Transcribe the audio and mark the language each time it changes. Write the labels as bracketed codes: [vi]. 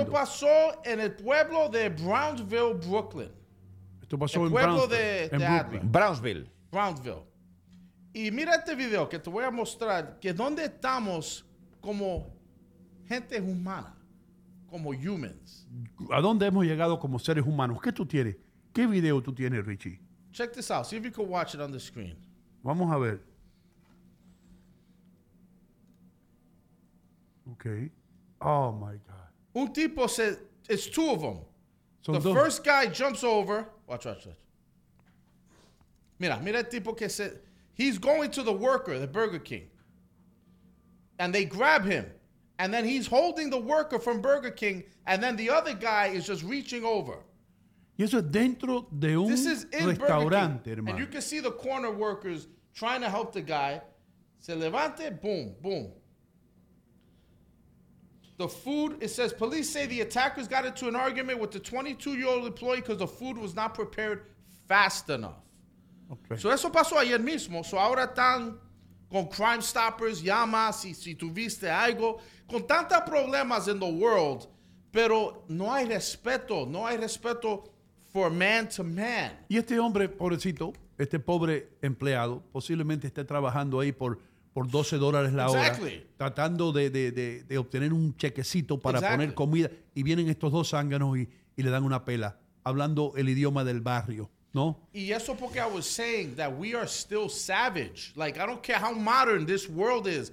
[es] Y esto pasó en el pueblo de Brownsville, Brooklyn. Esto pasó en Brownsville. El pueblo de Adler. Brownsville. Brownsville. Y mira este video que te voy a mostrar que dónde estamos como gente humana, como humans. ¿A dónde hemos llegado como seres humanos? ¿Qué tú tienes? ¿Qué video tú tienes, Richie? [en] Check this out. See if you can watch it on the screen. [es] Vamos a ver. [en] Okay. Oh, my God. [es] Un tipo, [en] it's two of them. Son the dos. First guy jumps over. Watch. [es] Mira el tipo que se... [en] He's going to the worker, the Burger King. And they grab him. And then he's holding the worker from Burger King. And then the other guy is just reaching over. [es] Y eso es dentro de un restaurante, hermano. [en] And you can see the corner workers trying to help the guy. [es] Se levante, [en] boom, boom. The food, it says, police say the attackers got into an argument with the 22-year-old employee because the food was not prepared fast enough. [es] Okay. So eso pasó ayer mismo. So ahora están con Crime Stoppers, llamas, si tuviste algo. Con tantos problemas [en] in the world, [es] pero no hay respeto. No hay respeto [en] for man to man. [es] Y este hombre, pobrecito, este pobre empleado, posiblemente esté trabajando ahí por $12 la hora. [en] Exactly. [es] Tratando de obtener un chequecito para exactly. poner comida. Y vienen estos dos zánganos y le dan una pela, hablando el idioma del barrio, ¿no? Y eso porque [en] I was saying that we are still savage. Like, I don't care how modern this world is.